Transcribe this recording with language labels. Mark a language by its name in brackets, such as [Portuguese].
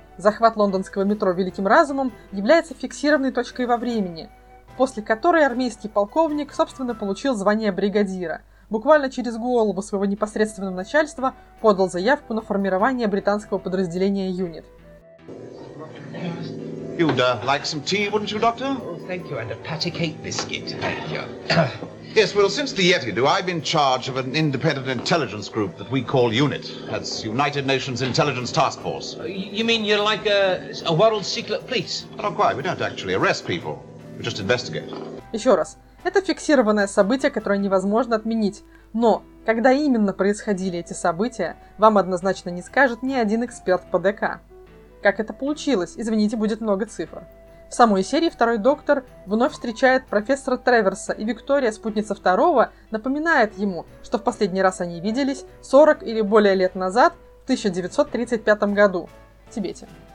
[Russian] Захват лондонского метро великим разумом является фиксированной точкой во времени, после которой армейский полковник, собственно, получил звание бригадира. Буквально через голову своего непосредственного начальства подал заявку на формирование британского подразделения «Юнит». [English] You'd like some tea, wouldn't you, Doctor? Oh, thank you, and a patty cake biscuit. Thank you. Yes, well, since the Yetidu, I've been in charge of an independent intelligence group that we call UNIT. That's United Nations Intelligence Task Force. You mean you're like a world secret police? Not quite. We don't actually arrest people. We just investigate. [Russian] Еще раз. Это фиксированное событие, которое невозможно отменить. Но когда именно происходили эти события, вам однозначно не скажет ни один эксперт по ДК. Как это получилось? Извините, будет много цифр. В самой серии второй доктор вновь встречает профессора Треверса, и Виктория, спутница второго, напоминает ему, что в последний раз они виделись 40 или более лет назад, в 1935 году, в Тибете.